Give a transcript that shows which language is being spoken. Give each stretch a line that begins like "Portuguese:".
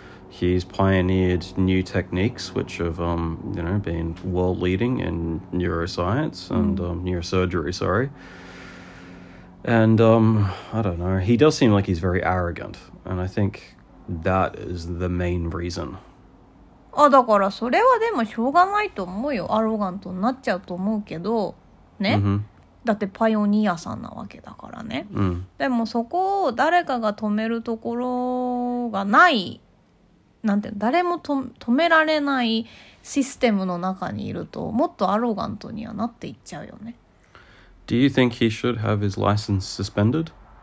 English: He's pioneered new techniques, which have, been world-leading in neuroscience and neurosurgery, sorry. And, I don't know, he does seem like he's very arrogant, and I think that is the main reason.
Japanese: あ、だからそれはでもしょうがないと思うよ。アロガントになっちゃうと思うけど、ね。 Mm-hmm. だってパイオニアさんなわけだからね、うん、でもそこを誰かが止めるところがない、なんていうの、誰も止められないシステムの中にいるともっとアロガントにはなっていっちゃうよね。
English: Do you think he should have his license suspended?